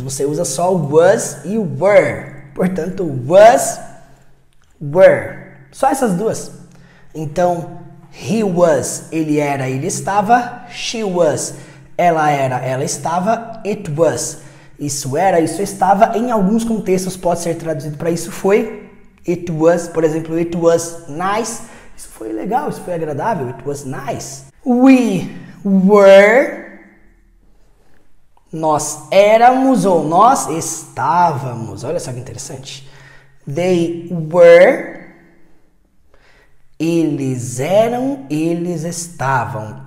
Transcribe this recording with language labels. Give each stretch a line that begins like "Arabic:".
Portuguese: Você usa só o was e o were. Portanto, was, were. Só essas duas. Então,
English: he was,
Portuguese: ele era, ele estava.
English: She was,
Portuguese: ela era, ela estava.
English: It was,
Portuguese: isso era, isso estava. Em alguns contextos pode ser traduzido para isso foi.
English: It was,
Portuguese: por exemplo,
English: it was nice.
Portuguese: Isso foi legal, isso foi agradável.
English: It was nice. We were.
Portuguese: Nós éramos ou nós estávamos. Olha só que interessante.
English: They were.
Portuguese: Eles eram, eles estavam.